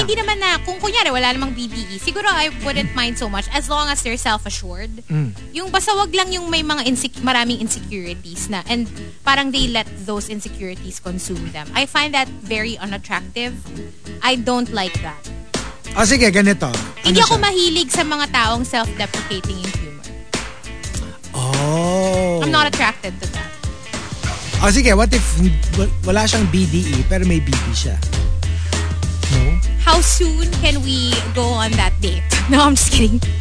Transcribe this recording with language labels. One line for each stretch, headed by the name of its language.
Filipino: Hindi naman na, kung kunyari, wala namang BDE, siguro
English: I wouldn't mind so much as long as they're self-assured. Mm.
Filipino: Yung basta wag lang yung may mga maraming insecurities na.
English: And parang they let those insecurities consume them. I find that very unattractive. I don't like that.
Filipino: Oh, sige, ganito. Hindi ako mahilig sa mga taong self-deprecating yung humor. Oh.
English: I'm not attracted to that.
Filipino: Oh, sige,
English: what if
Filipino: wala siyang BDE, pero may BD siya?
English: No? How soon can we go on that date? No, I'm just kidding.